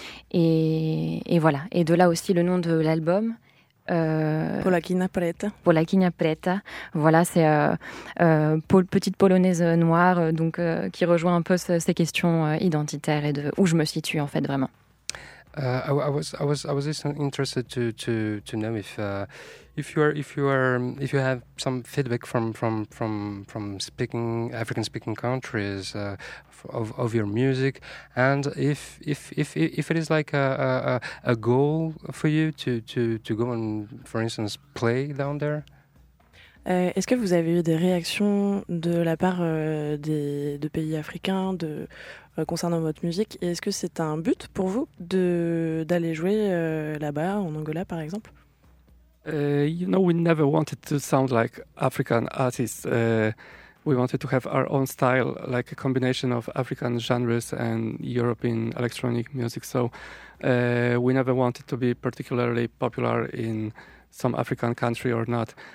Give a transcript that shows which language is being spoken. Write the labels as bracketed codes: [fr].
[fr] Et voilà. Et de là aussi le nom de l'album. Polakina Preta. Polakina Preta. Voilà, c'est petite polonaise noire, donc qui rejoint un peu ces questions identitaires et de où je me situe en fait vraiment. [en] I was just interested to know if you have some feedback from speaking African speaking countries of your music, and if it is like a goal for you to go and for instance play down there. [fr] Est-ce que vous avez eu des réactions de la part de pays africains concernant votre musique, et est-ce que c'est un but pour vous d'aller jouer là-bas en Angola par exemple? [en] You know, we never wanted to sound like African artists. We wanted to have our own style, like a combination of African genres and European electronic music. So we never wanted to be particularly popular in some African country or not.